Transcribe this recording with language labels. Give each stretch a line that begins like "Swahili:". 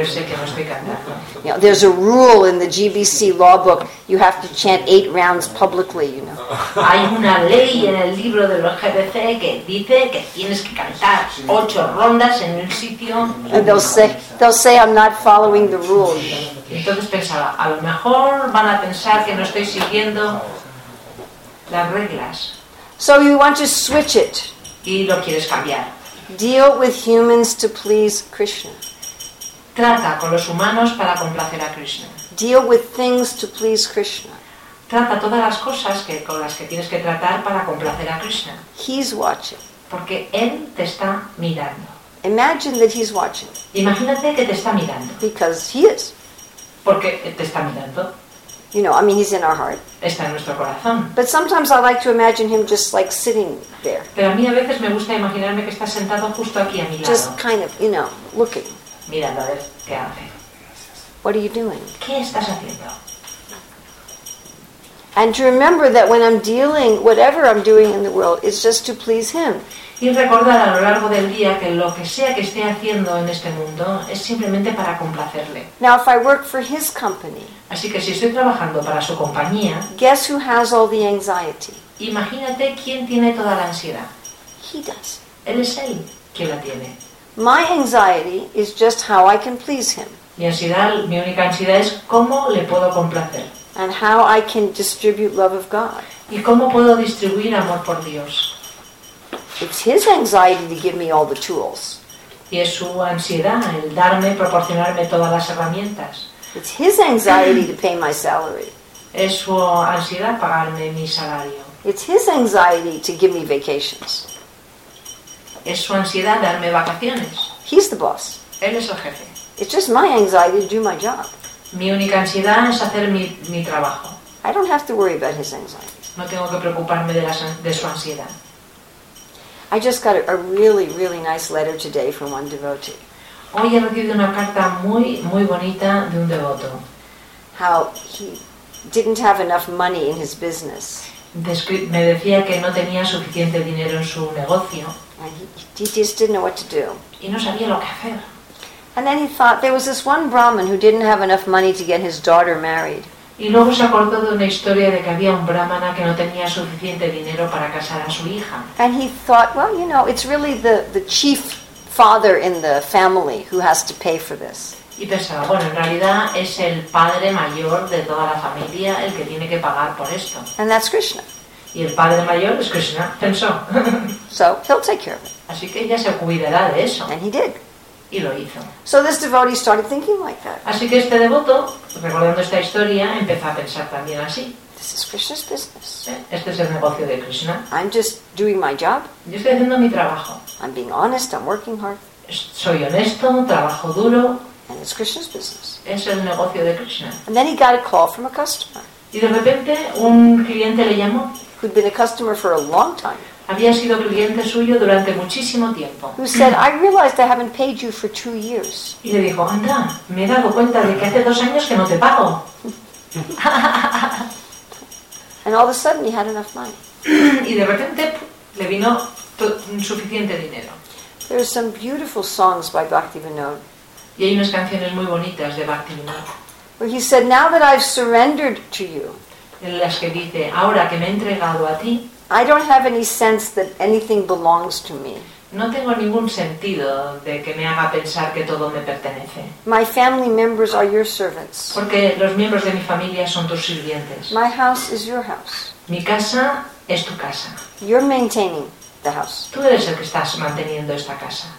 English: You know, there's a rule in the GBC law book, you have to chant 8 rounds publicly, you know.
Spanish: Hay una ley en el libro de los GBC que dice que tienes que cantar 8 rondas en un sitio.
English: And they'll say I'm not following the rule.
Spanish: Entonces pensaba, a lo mejor van a pensar que no estoy siguiendo las reglas.
English: So you want to switch it.
Spanish: Y lo quieres cambiar.
English: Deal with humans to please Krishna.
Spanish: Trata con los humanos para complacer a Krishna.
English: Deal with things to please Krishna.
Spanish: Trata todas las cosas que, con las que tienes que tratar para complacer a Krishna.
English: He's watching.
Spanish: Porque él te está mirando.
English: Imagine that he's watching.
Spanish: Imagínate que te está mirando.
English: Because he is.
Spanish: Porque te está mirando.
English: You know, I mean, he's in our heart.
Spanish: Está en nuestro corazón.
English: But sometimes I like to imagine him just like sitting there.
Spanish: Pero a mí a veces me gusta imaginarme que está sentado justo aquí a mi lado.
English: Just kind of, you know, looking.
Spanish: Mirando a ver qué hace.
English: What are you doing?
Spanish: ¿Qué estás haciendo?
English: And to remember that when I'm dealing, whatever I'm doing in the world, it's just to please him.
Spanish: Y recordar a lo largo del día que lo que sea que esté haciendo en este mundo es simplemente para complacerle.
English: Now, if I work for his company,
Spanish: así que si estoy trabajando para su compañía,
English: guess who has all the anxiety?
Spanish: Imagínate quién tiene toda la ansiedad.
English: He does.
Spanish: Él es él quien la tiene.
English: My anxiety is just how I can please him.
Spanish: Mi única ansiedad es cómo le puedo complacer.
English: And how I can distribute love of God.
Spanish: ¿Y cómo puedo distribuir amor por Dios?
English: It's his anxiety to give me all the tools.
Spanish: Y es su ansiedad el darme, proporcionarme todas las herramientas.
English: It's his anxiety to pay my salary.
Spanish: Es su ansiedad pagarme mi salario.
English: It's his anxiety to give me vacations.
Spanish: Es su ansiedad darme vacaciones.
English: He's the boss.
Spanish: Él es el jefe.
English: It's just my anxiety to do my job.
Spanish: Mi única ansiedad es hacer mi trabajo.
English: I don't have to worry about his anxiety.
Spanish: No tengo que preocuparme de su ansiedad.
English: I just got a really, really nice letter today from one devotee.
Spanish: Hoy he recibido una carta muy, muy bonita de un devoto.
English: How he didn't have enough money in his business.
Spanish: Me decía que no tenía suficiente dinero en su negocio.
English: And he just didn't know what to do.
Spanish: Y no sabía lo que hacer.
English: And then he thought there was this one Brahmin who didn't have enough money to get his daughter married.
Spanish: Y luego se acordó de una historia de que había un brahmana que no tenía suficiente dinero para casar a su hija.
English: And he thought, well, you know, it's really the chief father in the family who has to pay for this.
Spanish: Y pensaba, bueno, en realidad es el padre mayor de toda la familia el que tiene que pagar por esto.
English: And that's Krishna.
Spanish: Y el padre mayor es Krishna, pensó.
English: So he'll take care of it.
Spanish: Así que ella se cuidará de eso.
English: And he did.
Spanish: Y lo hizo.
English: So this devotee started thinking like that.
Spanish: Así que este devoto, recordando esta historia, empezó a pensar también así.
English: This is Krishna's business.
Spanish: Este es el negocio de Krishna.
English: I'm just doing my job.
Spanish: Yo estoy haciendo mi trabajo.
English: I'm being honest, I'm working hard.
Spanish: Soy honesto, trabajo duro.
English: And it's Krishna's business.
Spanish: Es el negocio de Krishna.
English: And then he got a call from a customer.
Spanish: Y de repente un cliente le llamó.
English: Who'd been a customer for a long time.
Spanish: Había sido cliente suyo durante muchísimo tiempo.
English: Who said, I realized I haven't paid you for 2 years.
Spanish: Y le dijo, anda, me he dado cuenta de que hace 2 años que no te pago.
English: And all of a sudden he had enough money.
Spanish: Y de repente le vino suficiente dinero.
English: There are some beautiful songs by Bhaktivinoda.
Spanish: Y hay unas canciones muy bonitas de Bhaktivinoda.
English: Where he said, now that I've surrendered to you.
Spanish: En las que dice, ahora que me he entregado a ti.
English: I don't have any sense that anything belongs to me.
Spanish: No tengo ningún sentido de que me haga pensar que todo me pertenece.
English: My family members are your servants.
Spanish: Porque los miembros de mi familia son tus sirvientes.
English: My house is your house.
Spanish: Mi casa es tu casa.
English: You're maintaining the house.
Spanish: Tú eres el que estás manteniendo esta casa.